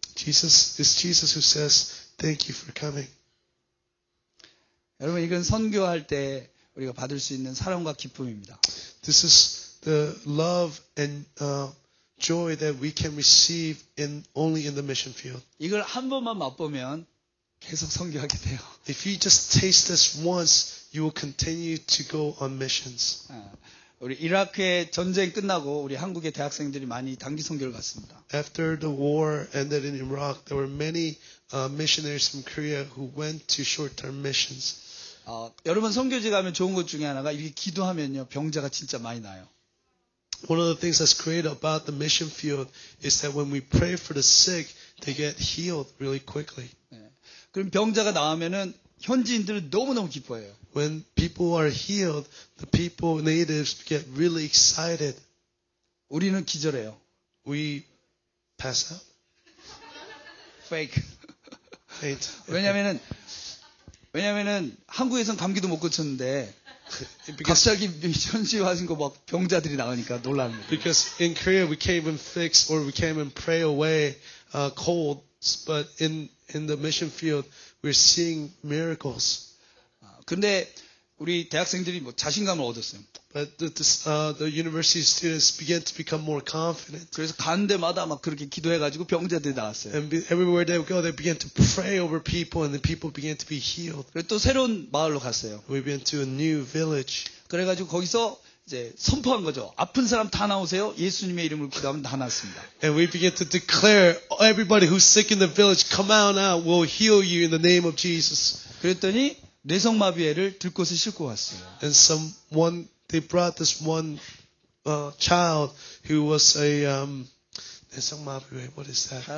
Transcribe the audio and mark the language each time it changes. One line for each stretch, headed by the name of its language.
English: It's Jesus who says, thank you for coming.
Korean: 여러분, 이건 선교할 때 우리가 받을 수 있는 사랑과 기쁨입니다.
English: This is the love and joy that we can receive in only in the mission field.
Korean: 이걸 한 번만 맛보면 계속 선교하게 돼요.
English: If you just taste this once, you will continue to go on missions.
Korean: 우리 이라크의 전쟁 끝나고 우리 한국의 대학생들이 많이 단기 선교를 갔습니다.
English: After the war ended in Iraq, there were many missionaries from Korea who went to short-term missions.
Korean: 여러분 선교지 가면 좋은 것 중에 하나가 이렇게 기도하면요 병자가 진짜 많이 나요.
English: One of the things that's great about the mission field is that when we pray for the sick, they get healed really quickly.
Korean: 그럼 병자가 나오면은 현지인들은 너무너무 기뻐해요.
English: When people are healed, the people, natives get really excited.
Korean: 우리는 기절해요.
English: We pass out. Fake. Faint.
Korean: 왜냐면은 한국에선 감기도 못 고쳤는데 갑자기 현지에 와신 거 막 병자들이 나오니까 놀랍니다.
English: Because in Korea we can't even fix or we can't even pray away colds, but in the mission field we're seeing miracles.
Korean: 근데 우리 대학생들이 뭐 자신감을 얻었어요.
English: But the university students began to become more confident.
Korean: 그래서 간 데마다 막 그렇게 기도해가지고 병자들이 나왔어요.
English: And everywhere they would go, they began to pray over people, and the people began to be healed.
Korean: 그리고 또 새로운 마을로 갔어요.
English: We went to a new village.
Korean: 그래가지고 거기서 이제 선포한 거죠. 아픈 사람 다 나오세요. 예수님의 이름으로 기도하면 다 낫습니다.
English: And we began to declare, everybody who's sick in the village, come out now. We'll heal you in the name of Jesus.
Korean: 그랬더니 뇌성마비애를 들꽃에 싣고 왔어요.
English: And someone, they brought this one child who was a 뇌성마비애, what is that?